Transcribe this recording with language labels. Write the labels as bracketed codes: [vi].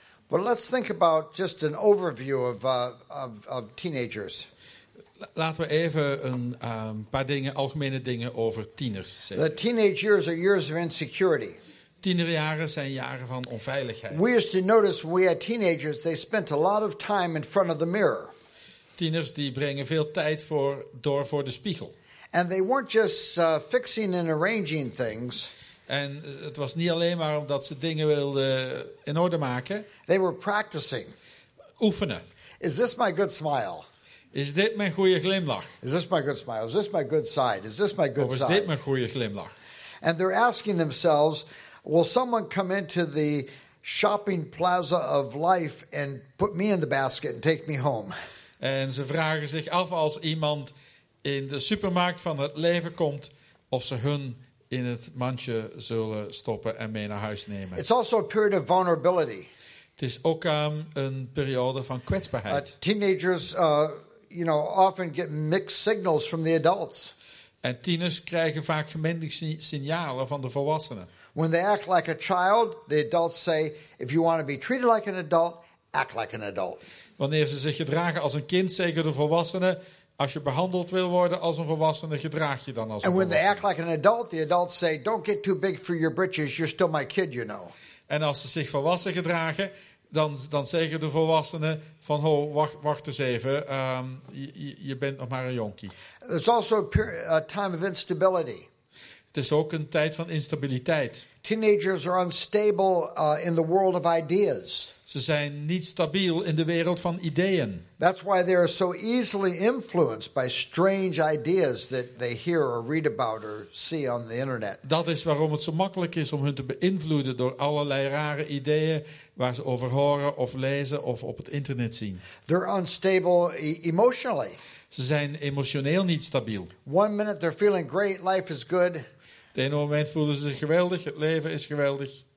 [en] But let's think about just an overview of teenagers. [nl] Laten we even een paar dingen, algemene dingen over tieners zeggen. [en] The teenage years are years of insecurity. [nl] Tienerjaren zijn jaren van onveiligheid. [en] We used to notice when we had teenagers, they spent a lot of time in front of the mirror. [nl] Tieners die brengen veel tijd door voor de spiegel. [en] And they weren't just fixing and arranging things. [nl] En het was niet alleen maar omdat ze dingen wilden in orde maken. [en] They were practicing. [nl] Oefenen. [en] Is this my good smile? [nl] Is dit mijn goede glimlach? [en] Is this my good smile? Is this my good side? Is this my good side? [nl] Of is dit mijn goede glimlach? [en] And they're asking themselves, will someone come into the shopping plaza of life and put me in the basket and take me home? [nl] En ze vragen zich af als iemand in de supermarkt van het leven komt, of ze hun in het mandje zullen stoppen en mee naar huis nemen. [en] It's also a period of vulnerability. [nl] Het is ook een periode van kwetsbaarheid. [en] Teenagers, often get mixed signals from the adults. [nl] En tieners krijgen vaak gemengde signalen van de volwassenen. [en] When they act like a child, the adults say, if you want to be treated like an adult, act like an adult. [nl] Wanneer ze zich gedragen als een kind, zeker de volwassenen, als je behandeld wil worden als een volwassene, gedraag je dan als een volwassene. [en] And when they act like an adult, the adults say, don't get too big for your britches, you're still my kid, you know. [nl] En als ze zich volwassen gedragen, dan zeggen de volwassenen van, ho, wacht eens even, je bent nog maar een jonkie. [en] It's also a time of instability. [nl] Het is ook een tijd van instabiliteit. [en] Teenagers are unstable in the world of ideas. [nl] Ze zijn niet stabiel in de wereld van ideeën. [en] That's why they are so easily influenced by strange ideas that they hear or read about or see on the internet. [nl] Dat is waarom het zo makkelijk is om hun te beïnvloeden door allerlei rare ideeën waar ze over horen of lezen of op het internet zien. [en] They're unstable emotionally. [nl] Ze zijn emotioneel niet stabiel. [en] One minute they're feeling great, life is good. [nl] Op een moment voelen ze zich geweldig, het leven is geweldig.